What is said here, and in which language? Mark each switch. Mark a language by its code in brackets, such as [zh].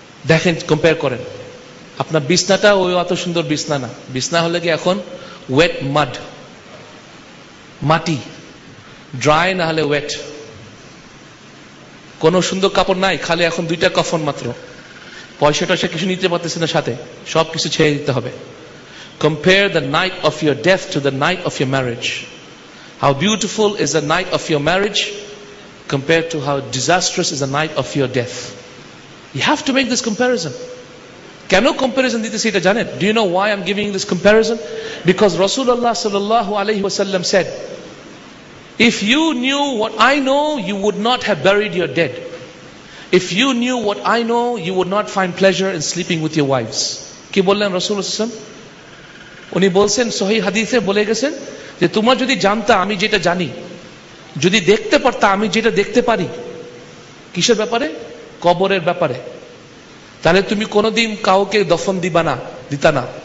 [bn] দেখেন, কম্পেয়ার করেন আপনার বিছনাটা, ওই অত সুন্দর বিছনা না, বিছনা হলে কি এখন ওয়েট মাড, মাটি, ড্রাই না হলে ওয়েট, কোনো সুন্দর কাপড় নাই, খালি এখন দুইটা কফন মাত্র, পয়সা টয়সা কিছু নিতে পারতেছে না সাথে, সব কিছু ছেড়ে দিতে হবে। [en] Compare the night of your death to the night of your marriage. How beautiful is the night of your marriage compared to how disastrous is the night of your death. You have to make this comparison. [bn] Keno comparison dite seta janen? [en] Do you know why I'm giving this comparison? Because Rasulullah sallallahu alaihi wasallam said, if you knew what I know, you would not have buried your dead. If you knew what I know, you would not find pleasure in sleeping with your wives. [bn] Ki bollen Rasulullah sallallahu alaihi উনি বলছেন সহি হাদিসে বলে গেছেন যে তোমরা যদি জানতা আমি যেটা জানি, যদি দেখতে পারতা আমি যেটা দেখতে পারি, কিসের ব্যাপারে? কবরের ব্যাপারে, তাহলে তুমি কোনোদিন কাউকে দফন দিবা না, দিতা না।